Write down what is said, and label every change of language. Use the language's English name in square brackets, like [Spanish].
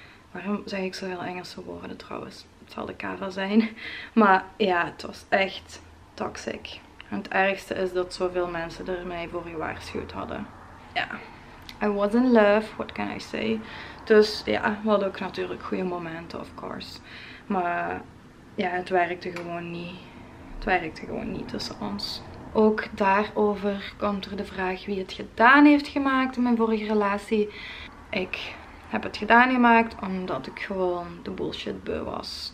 [Dutch] Waarom zeg ik zoveel Engelse woorden trouwens? Het zal de kava zijn. Maar ja, het was echt toxic. En het ergste is dat zoveel mensen er mij voor gewaarschuwd hadden. Ja. [English] Yeah. I was in love, what can I say? [Dutch] Dus ja, we hadden ook natuurlijk goede momenten, [English] of course. [Dutch] Maar ja, het werkte gewoon niet. Het werkte gewoon niet tussen ons. Ook daarover komt er de vraag wie het gedaan heeft gemaakt in mijn vorige relatie. Ik heb het gedaan gemaakt omdat ik gewoon de bullshit beu was.